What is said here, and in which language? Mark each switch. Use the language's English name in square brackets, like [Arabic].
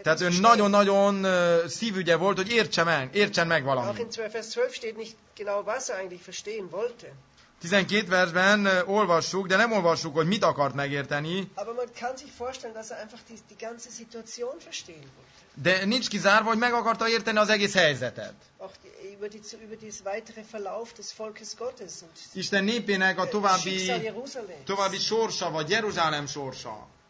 [Hungarian] tehát ő nagyon-nagyon szívügye volt, hogy értsen meg valamit. [German] Auch in Vers 12 steht nicht genau, was er eigentlich verstehen wollte. [Hungarian] 12 versben olvassuk, de nem olvassuk, hogy mit akart megérteni. [German] Aber man kann sich vorstellen, dass er einfach die ganze Situation verstehen wollte. [Hungarian] De nincs kizárva, hogy meg akarta érteni az egész helyzetet. [German] Auch über dieses weitere Verlauf des Volkes Gottes. Und [Hungarian] Isten népének a további sorsa, vagy Jeruzsálem sorsa.